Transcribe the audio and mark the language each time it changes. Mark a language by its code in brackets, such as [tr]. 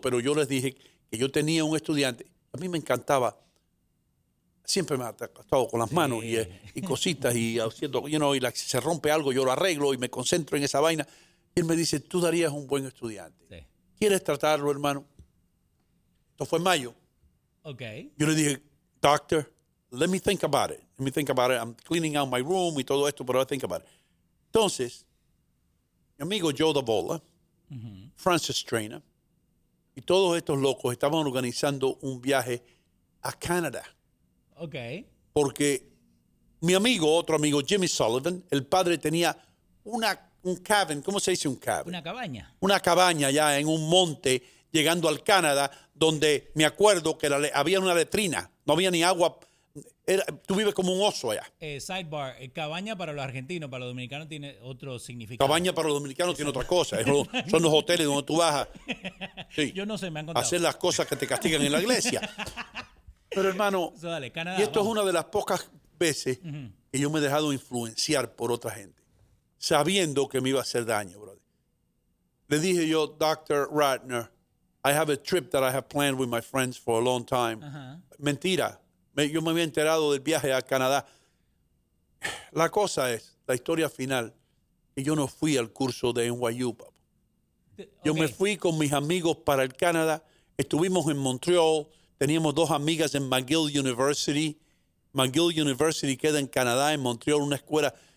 [es] Pero yo les dije que yo tenía un estudiante, a mí me encantaba, siempre me ha tratado con las manos y cositas y haciendo, si se rompe algo yo lo arreglo y me concentro en esa vaina. Y él me dice, tú darías un buen estudiante. Sí. ¿Quieres tratarlo, hermano? Esto fue en mayo. Ok. Yo le dije, doctor, [en] let me think about it. I'm cleaning out my room [es] y todo esto, pero [en] I think about it. [es] Entonces, mi amigo Joe Davola, Francis Traina, y todos estos locos estaban organizando un viaje a Canadá. Ok. Porque mi amigo, otro amigo, Jimmy Sullivan, el padre tenía un cabin, ¿cómo se dice un cabin? Una cabaña. Una cabaña allá en un monte llegando al Canadá, donde me acuerdo que había una letrina, no había ni agua. Tú vives como un oso allá. Sidebar, cabaña para los argentinos, para los dominicanos tiene otro significado. Cabaña para los dominicanos tiene otra cosa. Son los hoteles donde tú vas. Sí. Yo no sé, me han contado. Hacer las cosas que te castigan en la iglesia. Pero hermano, so, dale, Canadá, y esto vamos. Es una de las pocas veces que yo me he dejado influenciar por otra gente, sabiendo que me iba a hacer daño, brother. Le dije yo, Dr. [en] Ratner, I have a trip that I have planned with my friends for a long time. [es] Uh-huh. Mentira. Yo me había enterado del viaje a Canadá. La cosa es, la historia final, que yo no fui al curso de NYU, papá. Yo me fui con mis amigos para el Canadá. Estuvimos en Montreal. Teníamos dos amigas en McGill University. McGill University queda en Canadá, en Montreal, una escuela.